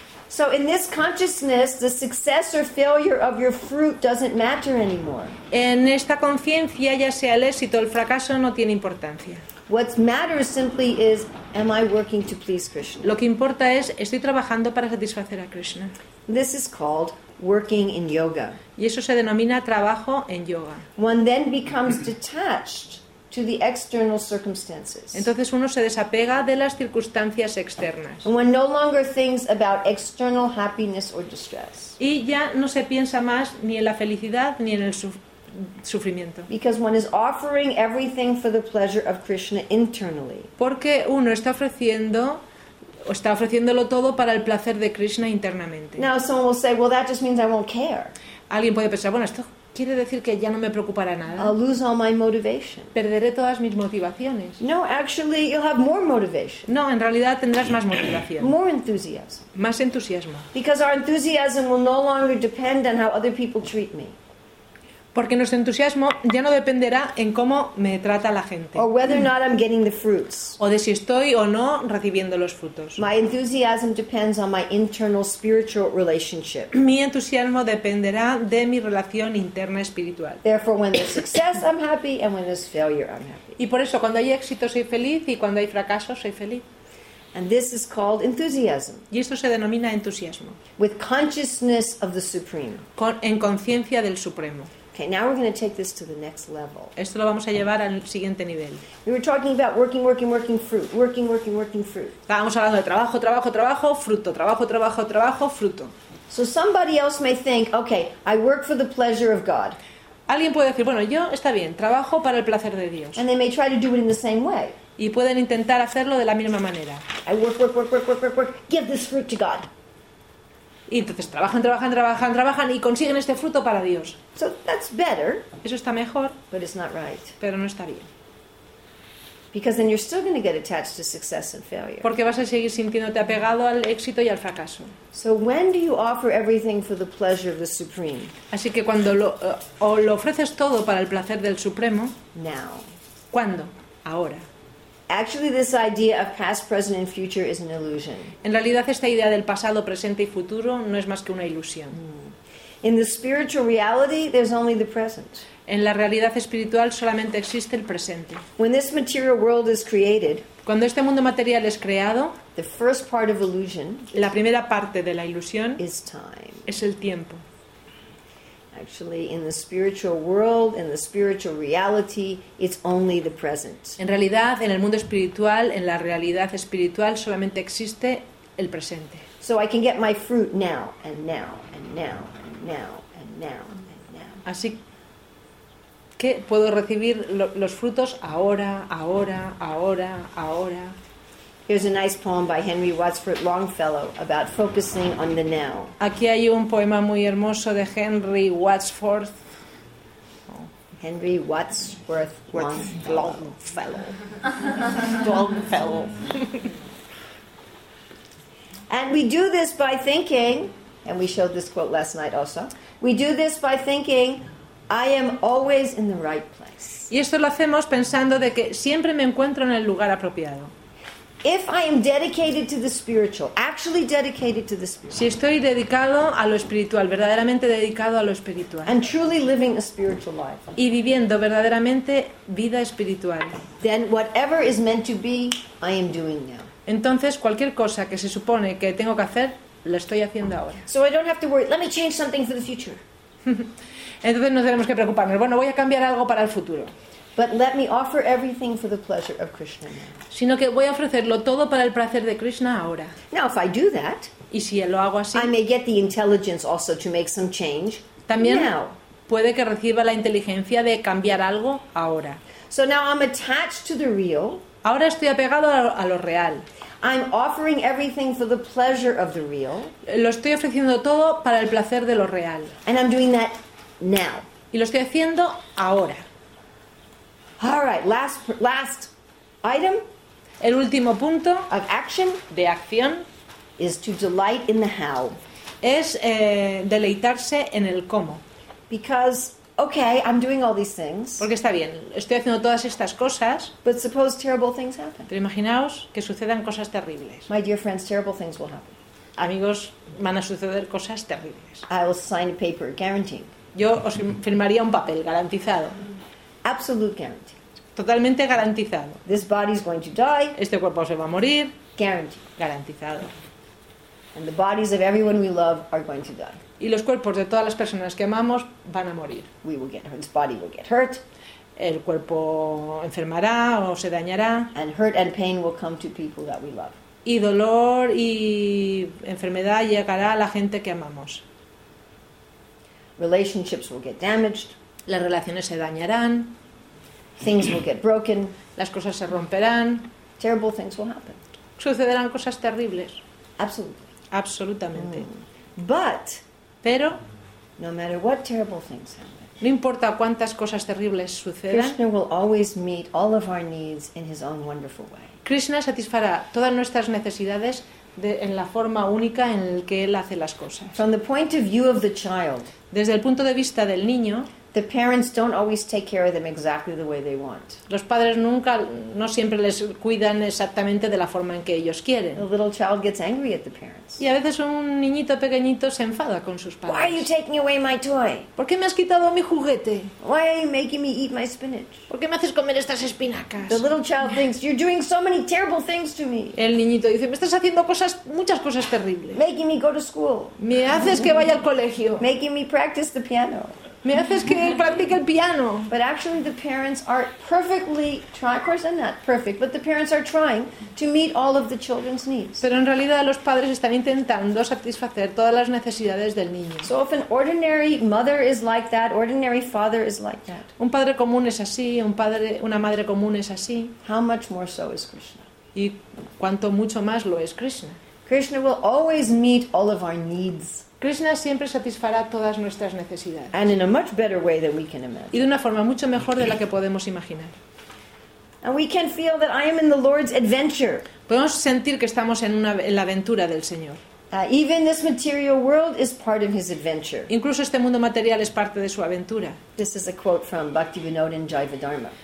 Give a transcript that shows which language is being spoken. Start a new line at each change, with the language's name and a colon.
English: So in this consciousness, the success or failure of your fruit doesn't matter anymore.
Spanish: En esta conciencia, ya sea el éxito o el fracaso, no tiene importancia.
English: What matters simply is, am I working to please Krishna?
Spanish: Lo que importa es, estoy trabajando para satisfacer a Krishna.
English: This is called working in yoga.
Spanish: Y eso se denomina trabajo en yoga.
English: One then becomes detached to the external circumstances.
Spanish: Entonces uno se desapega de las circunstancias externas.
English: And one no longer thinks about external happiness or distress.
Spanish: Y ya no se piensa más ni en la felicidad ni en el sufrimiento.
English: Because one is offering everything for the pleasure of Krishna internally.
Spanish: Porque uno está ofreciéndolo todo para el placer de Krishna internamente.
English: Now someone will say, well, that just means I won't care.
Spanish: Alguien puede pensar, bueno, esto quiere decir que ya no me preocupará nada.
English: I'll lose all my motivation.
Spanish: Perderé todas mis motivaciones.
English: No, actually, you'll have more motivation.
Spanish: No, en realidad tendrás más motivación.
English: More enthusiasm.
Spanish: Más entusiasmo.
English: Because our enthusiasm will no longer depend on how other people treat me.
Spanish: Porque nuestro entusiasmo ya no dependerá en cómo me trata la gente.
English: Or whether or not I'm getting the fruits.
Spanish: O de si estoy o no recibiendo los frutos.
English: My enthusiasm depends on my internal spiritual relationship.
Spanish: Mi entusiasmo dependerá de mi relación interna espiritual.
English: Therefore, when there's success, I'm happy, and when there's failure, I'm happy.
Spanish: Y por eso, cuando hay éxito, soy feliz, y cuando hay fracaso, soy feliz.
English: And this is called enthusiasm.
Spanish: Y esto se denomina entusiasmo.
English: With consciousness of the supreme.
Spanish: En conciencia del supremo.
English: Okay, now we're going to take this to the next level.
Spanish: Esto lo vamos a llevar al siguiente nivel.
English: We were talking about working fruit.
Spanish: Estábamos hablando de trabajo, fruto.
English: So somebody else may think, okay, I work for the pleasure of God.
Spanish: Alguien puede decir, bueno, yo está bien, trabajo para el placer de Dios.
English: And they may try to do it in the same way.
Spanish: Y pueden intentar hacerlo de la misma manera.
English: I work, give this fruit to God.
Spanish: Y entonces trabajan y consiguen este fruto para Dios.
English: So that's better.
Spanish: Eso está mejor.
English: But it's not right.
Spanish: Pero no está bien.
English: Because then you're still going to get attached to success and failure.
Spanish: Porque vas a seguir sintiéndote apegado al éxito y al fracaso.
English: So when do you offer everything for the pleasure of the supreme?
Spanish: Así que cuando lo ofreces todo para el placer del supremo.
English: Now.
Spanish: ¿Cuándo? Ahora.
English: Actually, this idea of past, present, and future is an illusion.
Spanish: En realidad, esta idea del pasado, presente y futuro no es más que una ilusión.
English: In the spiritual reality, there's only the present.
Spanish: En la realidad espiritual solamente existe el presente.
English: When this material world is created,
Spanish: cuando este mundo material es creado,
English: the first part of illusion,
Spanish: la primera parte de la ilusión,
English: is time.
Spanish: Es el tiempo.
English: Actually, in the spiritual world, in the spiritual reality, it's only the present.
Spanish: En realidad, en el mundo espiritual, en la realidad espiritual, solamente existe el presente.
English: So I can get my fruit now, and now, and now, and now, and now, and now.
Spanish: Así que puedo recibir los frutos ahora, ahora, ahora, ahora.
English: Here's a nice poem by Henry Wadsworth Longfellow about focusing on the now.
Spanish: Aquí hay un poema muy hermoso de Henry Wadsworth.
English: Henry Wadsworth Longfellow.
Spanish: Longfellow.
English: And we do this by thinking, and we showed this quote last night also, we do this by thinking, I am always in the right place.
Spanish: Y esto lo hacemos pensando de que siempre me encuentro en el lugar apropiado.
English: If I am dedicated to the spiritual, actually dedicated to the spiritual.
Spanish: Si estoy dedicado a lo espiritual, verdaderamente dedicado a lo espiritual.
English: And truly living a spiritual life.
Spanish: Y viviendo verdaderamente vida espiritual.
English: Then whatever is meant to be, I am doing now.
Spanish: Entonces cualquier cosa que se supone que tengo que hacer, la estoy haciendo ahora.
English: So I don't have to worry. Let me change something for the future.
Spanish: Entonces no tenemos que preocuparnos. Bueno, voy a cambiar algo para el futuro.
English: But let me offer everything for the pleasure of Krishna now.
Spanish: Sino que voy a ofrecerlo todo para el placer de Krishna ahora.
English: Now, if I do that,
Spanish: y si lo hago así,
English: I may get the intelligence also to make some change.
Spanish: También
English: now.
Spanish: Puede que reciba la inteligencia de cambiar algo ahora.
English: So now I'm attached to the real.
Spanish: Ahora estoy apegado a lo real.
English: I'm offering everything for the pleasure of the real.
Spanish: Lo estoy ofreciendo todo para el placer de lo real.
English: And I'm doing that now.
Spanish: Y lo estoy haciendo ahora.
English: All right, last item.
Spanish: El último punto
English: of action,
Spanish: de acción,
English: is to delight in the how.
Spanish: Es deleitarse en el cómo.
English: Because okay, I'm doing all these things.
Spanish: Porque está bien, estoy haciendo todas estas cosas.
English: But suppose terrible things happen.
Spanish: Pero imaginaos que sucedan cosas terribles.
English: My dear friends, terrible things will happen.
Spanish: Amigos, van a suceder cosas terribles.
English: I will sign a paper guaranteeing.
Spanish: Yo os firmaría un papel garantizado.
English: Absolute guarantee.
Spanish: Totalmente garantizado.
English: This body is going to die.
Spanish: Este cuerpo se va a morir.
English: Guarantee.
Spanish: Garantizado.
English: And the bodies of everyone we love are going to die.
Spanish: Y los cuerpos de todas las personas que amamos van a morir.
English: We will get hurt. This body will get hurt.
Spanish: El cuerpo enfermará o se dañará.
English: And hurt and pain will come to people that we love.
Spanish: Y dolor y enfermedad llegará a la gente que amamos.
English: Relationships will get damaged.
Spanish: Las relaciones se dañarán.
English: Things will get broken.
Spanish: Las cosas se romperán.
English: Terrible things will happen.
Spanish: Sucederán cosas terribles.
English: Absolutely.
Spanish: Absolutamente. Mm.
English: But,
Spanish: pero,
English: no matter what terrible things happen,
Spanish: no importa cuántas cosas terribles sucedan,
English: Krishna will always meet all of our needs in his own wonderful way.
Spanish: Krishna satisfará todas nuestras necesidades en la forma única en la que él hace las cosas.
English: From the point of view of the child,
Spanish: desde el punto de vista del niño,
English: the parents don't always take care of them exactly the way they want.
Spanish: Los padres nunca, no siempre les cuidan exactamente de la forma en que ellos quieren.
English: A little child gets angry at the parents.
Spanish: Y a veces un niñito pequeñito se enfada con sus padres.
English: Why are you taking away my toy?
Spanish: ¿Por qué me has quitado mi juguete?
English: Why are you making me eat my spinach?
Spanish: ¿Por qué me haces comer estas espinacas?
English: The little child thinks you're doing so many terrible things to me.
Spanish: El niñito dice, me estás haciendo cosas, muchas cosas terribles.
English: Making me go to school.
Spanish: Me haces que vaya al colegio.
English: Making me practice the piano.
Spanish: Me haces que él practique el piano.
English: But actually the parents are perfectly trying, of course I'm not perfect, but the parents are trying to meet all of the children's needs.
Spanish: Pero en realidad los padres están intentando satisfacer todas las necesidades del niño.
English: So if an ordinary mother is like that, ordinary father is like that.
Spanish: Un padre común es así, una madre común es así.
English: How much more so is Krishna?
Spanish: Y cuanto mucho más lo es Krishna.
English: Krishna will always meet all of our needs.
Spanish: Krishna siempre satisfará todas nuestras necesidades.
English: And in a much better way than we can imagine.
Spanish: Y de una forma mucho mejor de la que podemos imaginar.
English: And we can feel that I am in the Lord's adventure.
Spanish: Podemos sentir que estamos en la aventura del Señor.
English: Even this material world is part of his adventure.
Spanish: Incluso este mundo material es parte de su aventura.
English: This is a quote from Bhaktivinoda in Jiva Dharma.